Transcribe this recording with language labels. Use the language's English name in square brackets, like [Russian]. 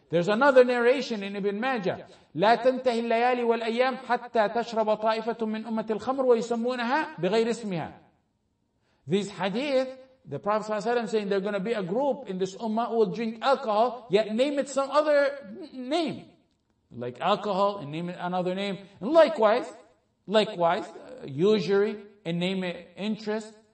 [English] There's another narration in Ibn Majah. [Arabic] لا تنتهي الليالي والأيام حتى تشرب طائفة من أمة الخمر ويسمونها بغير اسمها. [English] These hadith, the Prophet ﷺ saying they're going to be a group in this ummah who will drink alcohol, yet name it some other name. Like alcohol and name it another name. And likewise, usury and name it interest.